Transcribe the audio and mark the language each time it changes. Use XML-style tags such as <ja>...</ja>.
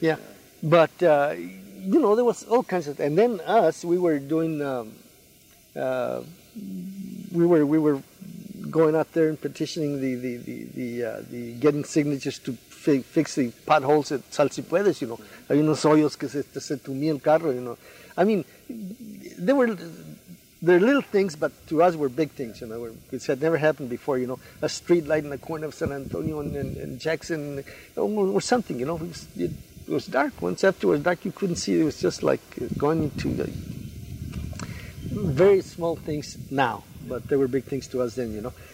<en>Yeah. But, you know, there was all kinds of things. And then us, we were doing, we were going out there and petitioning the getting signatures to fix the potholes at Salsipuedes, you know.</en> <es>Hay unos hoyos que se tumía el carro,</es> <en>you know. I mean, they're little things, but to us were big things, you know. It had never happened before, you know. A street light in the corner of San Antonio and Jackson or something, you know. It was dark. Once after it was dark, you couldn't see. It was just like going into very small things now, but they were big things to us then, you know.</en>